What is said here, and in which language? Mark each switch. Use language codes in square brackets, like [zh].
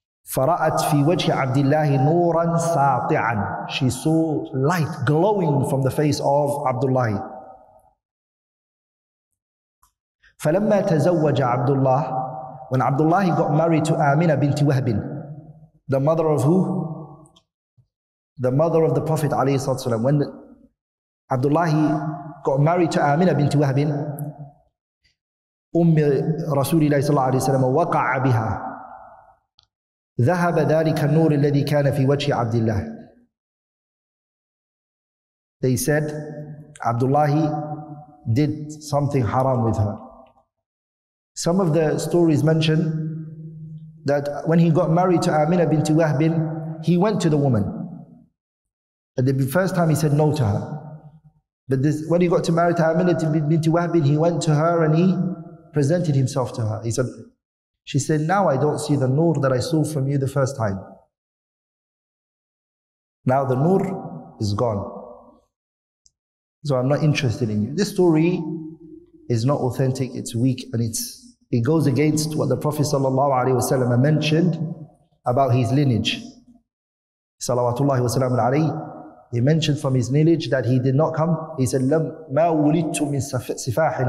[ar] فَرَأَتْ فِي وَجْهِ عَبْدِ اللَّهِ نُورًا سَاطِعًا. [en] She saw light glowing from the face of Abdullah. [ar] فَلَمَّا تَزَوَّجَ عَبْدُ اللَّهِ. [en] When Abdullah got married to Amina binti Wahbin, the mother of who? The mother of the Prophet alayhi salatu wasalam. When Abdullah got married to Amina binti Wahbin, [ar] أُمِّ رَسُولِ اللَّهِ صَلَّى اللَّهُ عَلَيْهِ وَسَلَّمَ وَقَعَ بِهَا ذَهَبَ ذَلِكَ النُّورِ الَّذِي كَانَ فِي وَجْهِ عَبْدِ اللَّهِ. [en] They said, Abdullah did something haram with her. Some of the stories mention that when he got married to Amina binti Wahbin, he went to the woman. And the first time he said no to her. But this, when he got to marry to Amina binti Wahbin, he went to her and he presented himself to her. He said, she said, now I don't see the nur that I saw from you the first time. Now the nur is gone. So I'm not interested in you. This story is not authentic, it's weak, and it goes against what the Prophet sallallahu alaihi wasallam mentioned about his lineage. Salawatullahi wasallam alayhi, he mentioned from his lineage that he did not come. He said, [ar] لَمْ مَا وُلِدْتُ مِنْ سِفَاحٍ.